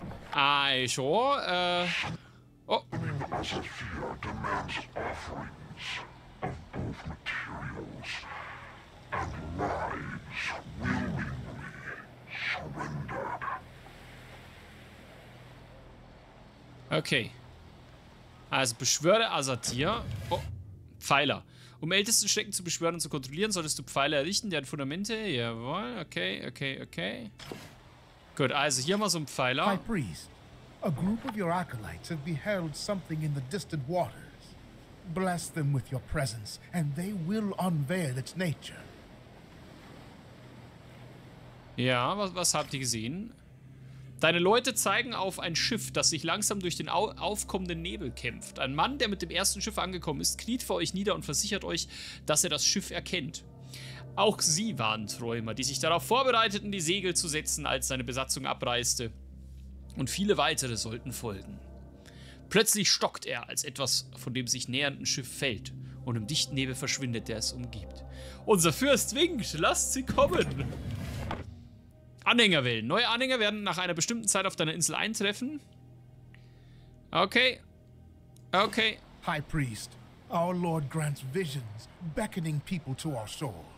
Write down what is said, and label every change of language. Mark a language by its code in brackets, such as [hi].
[de] Also, Okay. Also beschwöre Azathir. Oh, Pfeiler. Um ältesten Schrecken zu beschwören und zu kontrollieren, solltest du Pfeiler errichten, deren Fundamente. Jawohl, okay. Gut, also hier haben wir so einen Pfeiler. [en] High Priest, a group of your acolytes have beheld something in the distant waters. Bless them with your presence, and they will unveil its nature. [de] Ja, was habt ihr gesehen? Deine Leute zeigen auf ein Schiff, das sich langsam durch den aufkommenden Nebel kämpft. Ein Mann, der mit dem ersten Schiff angekommen ist, kniet vor euch nieder und versichert euch, dass er das Schiff erkennt. Auch sie waren Träumer, die sich darauf vorbereiteten, die Segel zu setzen, als seine Besatzung abreiste. Und viele weitere sollten folgen. Plötzlich stockt er, als etwas von dem sich nähernden Schiff fällt und im dichten Nebel verschwindet, der es umgibt. Unser Fürst winkt, lasst sie kommen! Anhänger wählen. Neue Anhänger werden nach einer bestimmten Zeit auf deiner Insel eintreffen. Okay. [en] High Priest, our Lord grants visions, beckoning people to our shores.